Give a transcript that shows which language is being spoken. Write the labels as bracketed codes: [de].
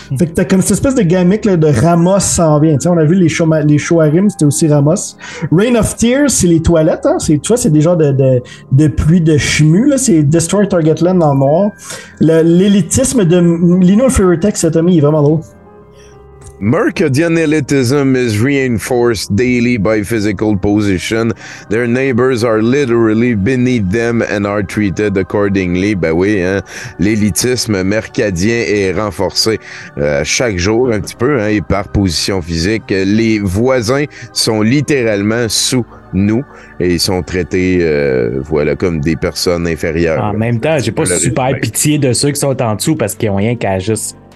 [fr] Fait que t'as comme cette espèce de gimmick là, de Ramos s'en vient. T'sais, on a vu les Shoarim, c'était aussi Ramos. Rain of Tears, c'est les toilettes. Hein? C'est, tu vois, c'est des genres de pluie de chimu. Là. C'est Destroy Target Land dans le noir. L'élitisme de Lino Flavor Text, cet ami, il est vraiment drôle. [en] Mercadian elitism is reinforced daily by physical position. Their neighbors are literally beneath them and are treated accordingly. [fr] Ben oui, hein, l'élitisme mercadien est renforcé chaque jour un petit peu, hein, et par position physique. Les voisins sont littéralement sous nous et ils sont traités voilà, comme des personnes inférieures. En même temps, j'ai pas super pitié de ceux qui sont en dessous parce qu'ils ont rien qu'à juste...